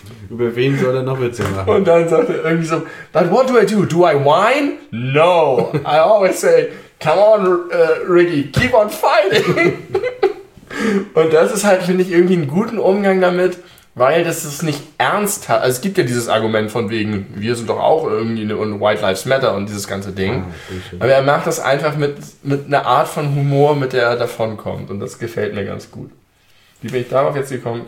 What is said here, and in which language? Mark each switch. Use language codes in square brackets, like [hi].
[de] Über wen soll er noch Witze machen? Und dann sagt er irgendwie so, [en] but what do I do? Do I whine? No. I always say, come on, Ricky, keep on fighting. [de] Und das ist halt, finde ich, irgendwie einen guten Umgang damit, weil das ist nicht ernsthaft. Also es gibt ja dieses Argument von wegen, wir sind doch auch irgendwie und White Lives Matter und dieses ganze Ding. Ah, aber er macht das einfach mit einer Art von Humor, mit der er davonkommt. Und das gefällt mir ganz gut. Wie bin ich darauf jetzt gekommen?